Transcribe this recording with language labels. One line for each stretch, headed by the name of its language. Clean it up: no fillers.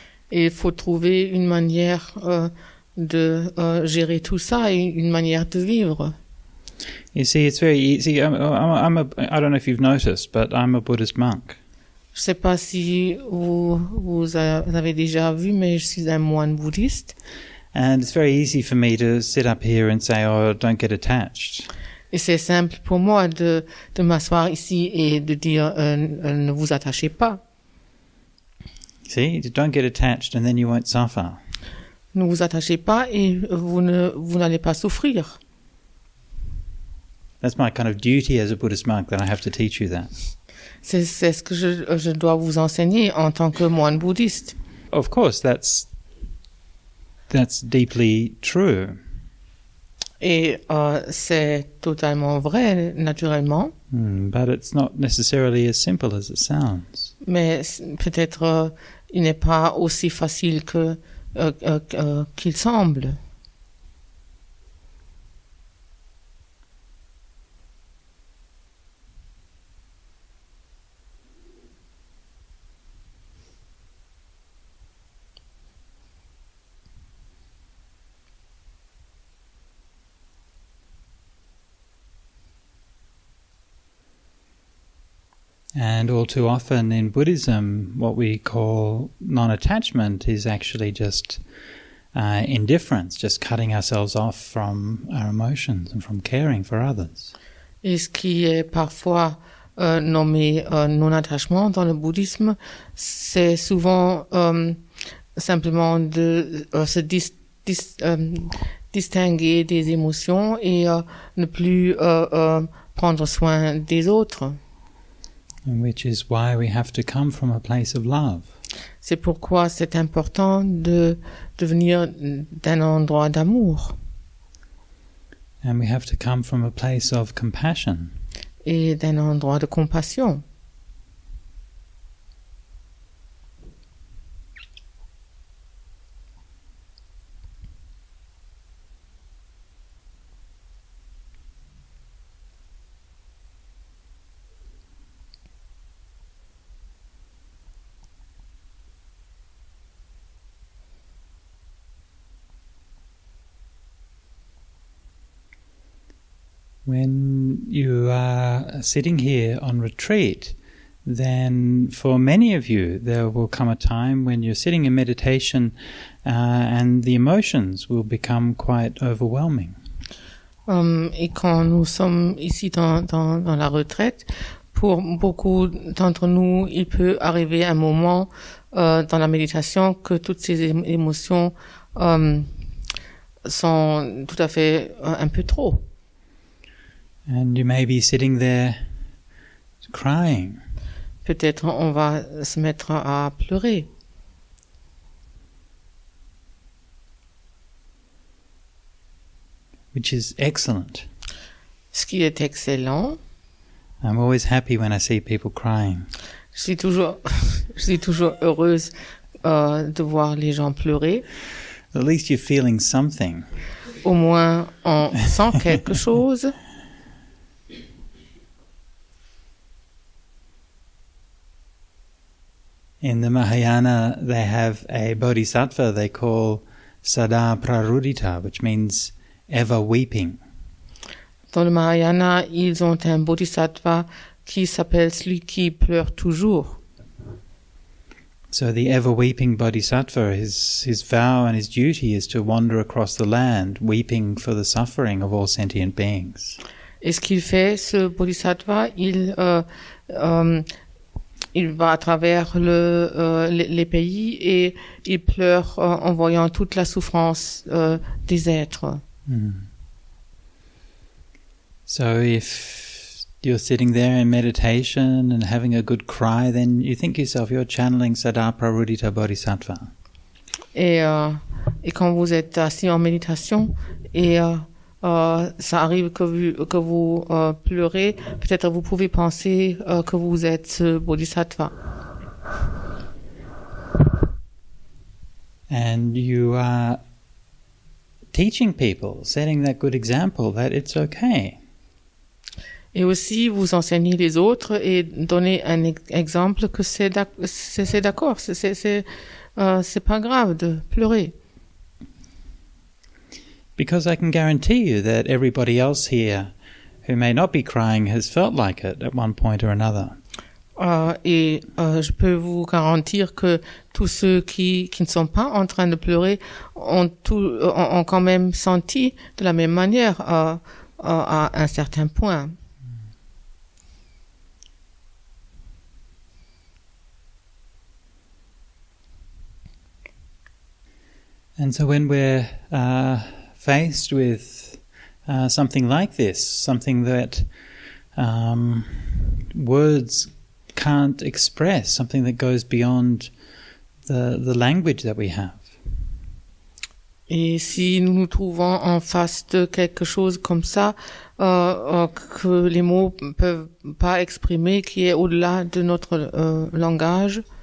French: Il faut trouver une manière de gérer tout ça et une manière de vivre.
English: You see, it's very easy. I don't know if you've noticed, but I'm a Buddhist monk.
French: Je sais pas si vous avez déjà vu, mais je suis un moine bouddhiste.
English: And it's very easy for me to sit up here and say, oh, don't get attached.
French: Et c'est simple pour moi de m'asseoir ici et de dire ne vous attachez pas.
English: See, don't get attached and then you won't suffer.
French: Ne vous attachez pas et vous n'allez pas souffrir.
English: That's my kind of duty as a Buddhist monk, that I have to teach you that.
French: C'est ce que je dois vous enseigner en tant que moine bouddhiste.
English: Of course, that's deeply true.
French: Et c'est totalement vrai, naturellement.
English: But it's not necessarily as simple as it sounds.
French: Mais peut-être il n'est pas aussi facile que qu'il semble.
English: And all too often in Buddhism, what we call non-attachment is actually just indifference, just cutting ourselves off from our emotions and from caring for others.
French: Et ce qui est parfois nommé non-attachement dans le bouddhisme, c'est souvent simplement de se distinguer des émotions et ne plus prendre soin des autres.
English: Which is why we have to come from a place of love.
French: C'est pourquoi c'est important de venir d'un endroit d'amour.
English: And we have to come from a place of compassion.
French: Et d'un endroit de compassion.
English: When you are sitting here on retreat, then for many of you, there will come a time when you're sitting in meditation and the emotions will become quite overwhelming.
French: Et quand nous sommes ici dans la retraite, pour beaucoup d'entre nous, il peut arriver un moment dans la méditation que toutes ces émotions sont tout à fait un peu trop.
English: And you may be sitting there crying.
French: Peut-être on va se mettre à pleurer.
English: Which is excellent.
French: Ce qui est excellent.
English: I'm always happy when I see people crying.
French: Je suis toujours heureuse de voir les gens pleurer.
English: At least you're feeling something.
French: Au moins on sent quelque chose.
English: In the Mahayana, they have a bodhisattva they call Sada Prarudita, which means ever weeping.
French: Dans le Mahayana, ils ont un bodhisattva qui s'appelle celui qui pleure toujours.
English: So the ever weeping bodhisattva, his vow and his duty is to wander across the land, weeping for the suffering of all sentient beings.
French: Et ce qu'il fait, ce bodhisattva, il va à travers les pays et il pleure en voyant toute la souffrance des êtres. Mm.
English: So if you're sitting there in meditation and having a good cry, then you think yourself you're channeling Sada Prarudita Bodhisattva.
French: Et quand vous êtes assis en méditation et ça arrive que vous pleurez, peut-être vous pouvez penser que vous êtes bodhisattva.
English: And you are teaching people, setting that good example that it's okay.
French: Et aussi vous enseignez les autres et donnez un exemple que c'est pas grave de pleurer.
English: Because I can guarantee you that everybody else here who may not be crying has felt like it at one point or another.
French: Je peux vous garantir que tous ceux qui ne sont pas en train de pleurer ont quand même senti de la même manière à un certain point.
English: And so when we're faced with something like this, something that words can't express, something that goes beyond the language that we have.
French: Et si nous nous trouvons en face de quelque chose comme ça, que les mots peuvent pas exprimer, qui est au-delà de notre langage.